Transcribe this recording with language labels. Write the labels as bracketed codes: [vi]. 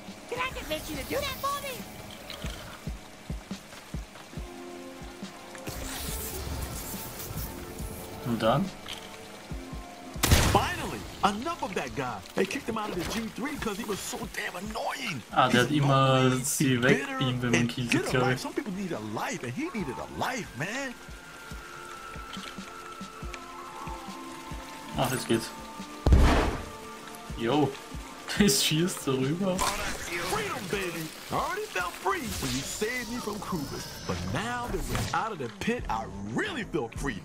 [en] Can I convince you to do that for me? I'm done. Finally, enough of that guy. They kicked him out of the G3 because he was so damn annoying. [de] Ah, der hat immer sie wegbeamt, wenn man killt, glaube ich. [en] Some people need a life, and he needed a life, man. [de] Ach, jetzt geht's. Yo, das schießt so rüber. [en] Freedom, baby. I already felt free when you saved me from Krubis, but now that we're out of the pit, I really feel free.